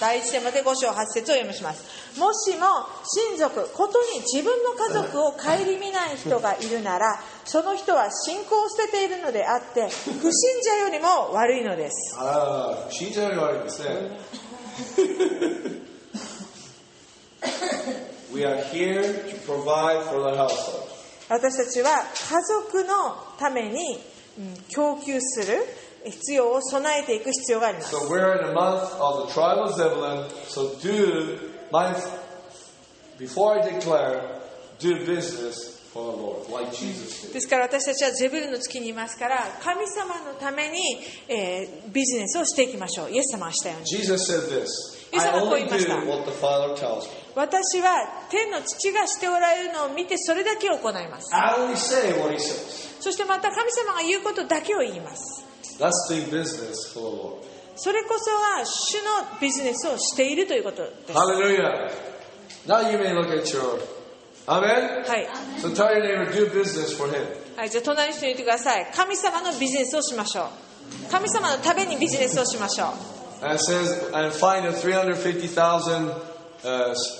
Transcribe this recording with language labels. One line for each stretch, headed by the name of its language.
Japanese: 第1テモテ5章8節を読みします。もしも親族、ことに自分の家族を顧みない人がいるなら、その人は信仰を捨てているのであって、不信者よりも悪いのです。不信者より悪いですね。
English: We are here to provide for the household.
Japanese: 私たちは家族のために供給する必要を備えていく必要があります。
English: So we're in the month of the trial of Zebulun. So do my before I declare, do business for the Lord, like Jesus did.
Japanese: ですから私たちはゼブルの月にいますから、神様のために、ビジネスをしていきましょう。イエス様はしたように。
English: Jesus said this. I only do what the Father tells me.
Japanese: 私は天の父がしておられるのを見てそれだけを行います。
English: I only say what he says.
Japanese: そしてまた神様が言うことだけを言います。
English: That's the business for the Lord.
Japanese: それこそが主のビジネスをしているということです。
English: Hallelujah. Now you may look at your Amen?
Japanese: はい。
English: So tell your neighbor, do business for him.
Japanese: はい、じゃあ隣の人に言ってください。神様のビジネスをしましょう。神様のためにビジネスをしましょう。
English: And it says, and find the 350,000no, okay.